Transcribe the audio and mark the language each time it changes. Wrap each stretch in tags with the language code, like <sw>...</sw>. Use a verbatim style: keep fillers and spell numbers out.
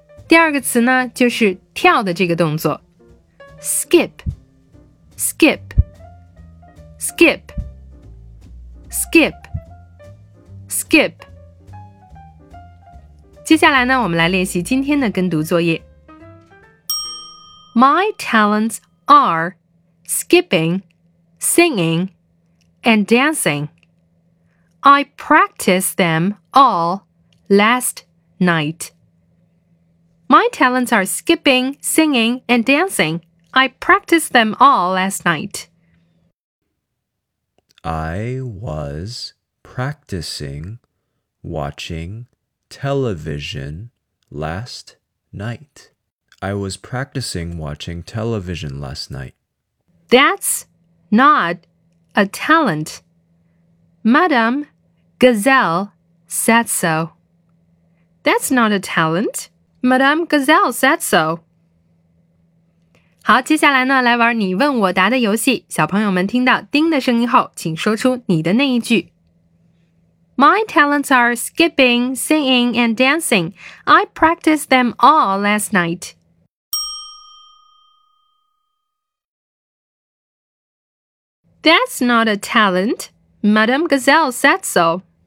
<zh>第二个词呢，就是跳的这个动作 skip skip skip skip skip接下来呢，我们来练习今天的跟读作业。</zh> <en>My talents are skipping, singing, and dancing. I practiced them all last night. My talents are skipping, singing, and dancing. I practiced them all last night. I was practicing watching television last night. I was practicing watching television last night. That's not a talent. Madame Gazelle said so. That's not a talent. Madame Gazelle said so.</en> <zh>好，接下来呢，来玩你问我答的游戏。小朋友们听到叮的声音后，请说出你的那一句。</zh> <en>My talents are skipping, singing, and dancing. I practiced them all last night. That's not a talent. Madame Gazelle said so.</en>